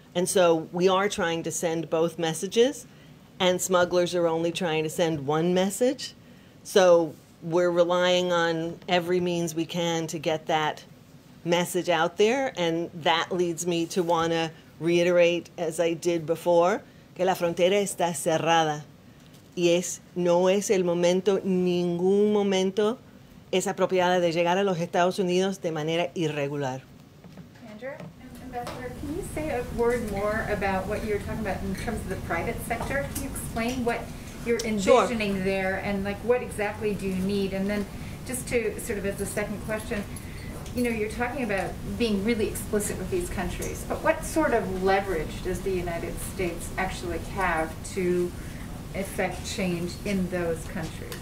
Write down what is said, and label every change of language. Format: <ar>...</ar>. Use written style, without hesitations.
<en>And so we are trying to send both messages, and smugglers are only trying to send one message. So we're relying on every means we can to get that message out there. And that leads me to want to reiterate, as I did before,</en> <es>que la frontera está cerrada. Y es, no es el momento, ningún momento es apropiada de llegar a los Estados Unidos de manera irregular.</es> <en>Ambassador, can you say a word more about what you're talking about in terms of the private sector? Can you explain what you're envisioning there, and like what exactly do you need? And then just to sort of as a second question, you know, you're talking about being really explicit with these countries, but what sort of leverage does the United States actually have to effect change in those countries?</en>